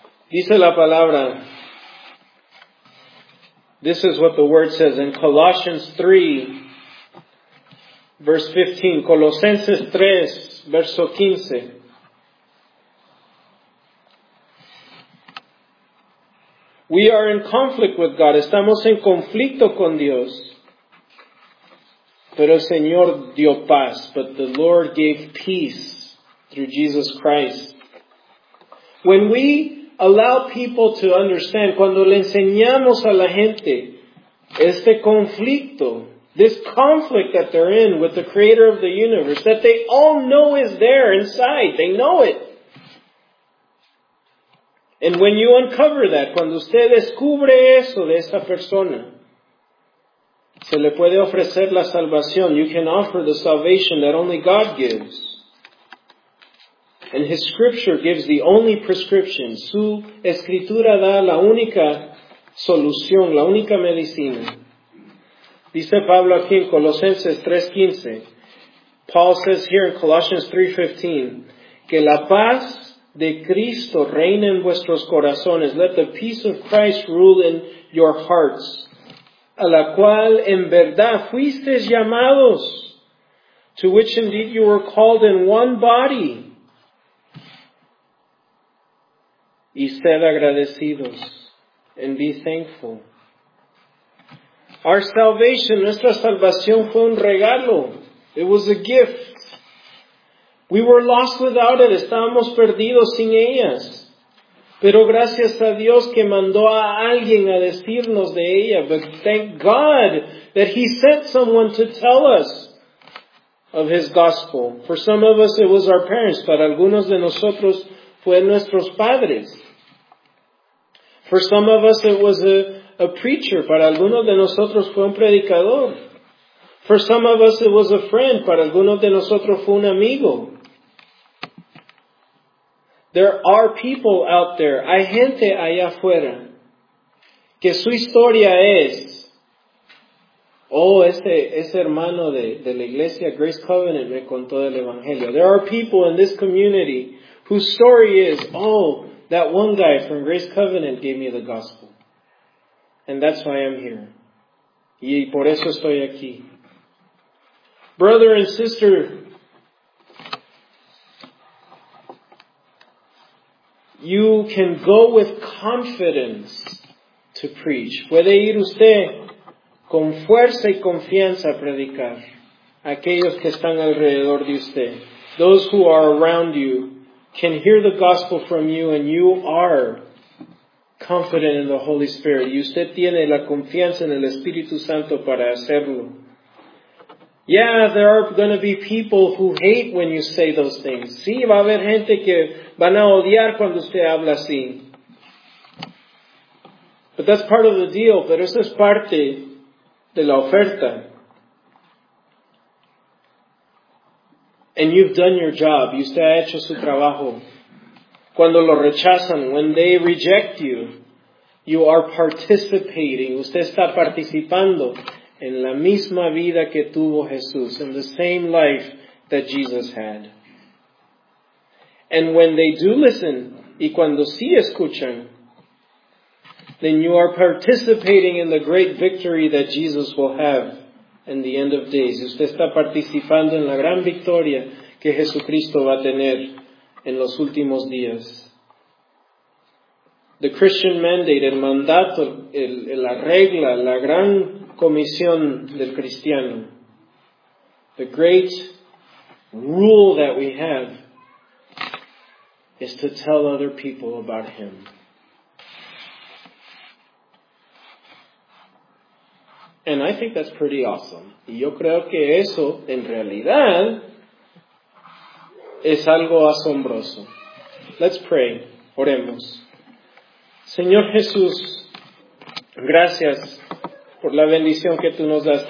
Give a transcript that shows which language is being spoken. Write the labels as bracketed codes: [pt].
[es] Dice la palabra. [en] This is what the word says in Colossians 3, verse 15. [es] Colosenses 3, verso 15. [en] We are in conflict with God. [es] Estamos en conflicto con Dios. Pero el Señor dio paz. [en] But the Lord gave peace through Jesus Christ. When we allow people to understand, [es] cuando le enseñamos a la gente este conflicto, [en] this conflict that they're in with the Creator of the universe, that they all know is there inside. They know it. And when you uncover that, [es] cuando usted descubre eso de esa persona, se le puede ofrecer la salvación. [en] You can offer the salvation that only God gives. And His Scripture gives the only prescription. [es] Su Escritura da la única solución, la única medicina. Dice Pablo aquí en Colosenses 3:15. [en] Paul says here in Colossians 3:15, [es] que la paz de Cristo reina en vuestros corazones. [en] Let the peace of Christ rule in your hearts. [es] A la cual en verdad fuisteis llamados. [en] To which indeed you were called in one body. [es] Y sed agradecidos. [en] And be thankful. Our salvation, [es] nuestra salvación fue un regalo. [en] It was a gift. We were lost without it. [es] Estábamos perdidos sin ellas. Pero gracias a Dios que mandó a alguien a decirnos de ella. [en] But thank God that He sent someone to tell us of His gospel. For some of us, it was our parents. [es] Para algunos de nosotros, fue nuestros padres. [en] For some of us it was a preacher. [es] Para algunos de nosotros fue un predicador. [en] For some of us it was a friend. [es] Para algunos de nosotros fue un amigo. [en] There are people out there. [es] Hay gente allá afuera. Que su historia es. Oh, ese hermano de la iglesia Grace Covenant me contó del evangelio. [en] There are people in this community whose story is, oh, that one guy from Grace Covenant gave me the gospel. And that's why I'm here. [es] Y por eso estoy aquí. [en] Brother and sister, you can go with confidence to preach. [es] Puede ir usted con fuerza y confianza a predicar. Aquellos que están alrededor de usted. [en] Those who are around you can hear the gospel from you and you are confident in the Holy Spirit. [es] Y usted tiene la confianza en el Espíritu Santo para hacerlo. [en] Yeah, there are going to be people who hate when you say those things. [es] Sí, va a haber gente que van a odiar cuando usted habla así. [en] But that's part of the deal. [es] Pero eso es parte de la oferta. [en] And you've done your job. [es] Y usted ha hecho su trabajo. Cuando lo rechazan, [en] when they reject you, you are participating. [es] Usted está participando en la misma vida que tuvo Jesús, [en] in the same life that Jesus had. And when they do listen, [es] y cuando sí escuchan, [en] then you are participating in the great victory that Jesus will have in the end of days. [es] Usted está participando en la gran victoria que Jesucristo va a tener en los últimos días. [en] The Christian mandate, [es] el mandato, la regla, la gran comisión del cristiano. [en] The great rule that we have is to tell other people about him. And I think that's pretty awesome. [es] Y yo creo que eso, en realidad, es algo asombroso. [en] Let's pray. [es] Oremos. Señor Jesús, gracias por la bendición que tú nos das.